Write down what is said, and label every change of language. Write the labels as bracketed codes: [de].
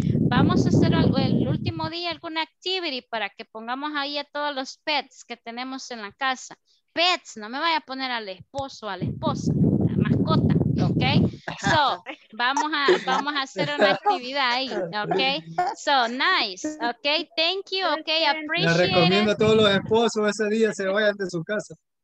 [es] Vamos a hacer el último día alguna activity para que pongamos ahí a todos los pets que tenemos en la casa. Pets, no me vaya a poner al esposo, a la esposa, la mascota. Okay, so vamos a hacer una actividad ahí, okay. [en] So nice, okay, thank you, okay, appreciate it. [es] Le recomiendo a todos los esposos ese día se vayan de su casa.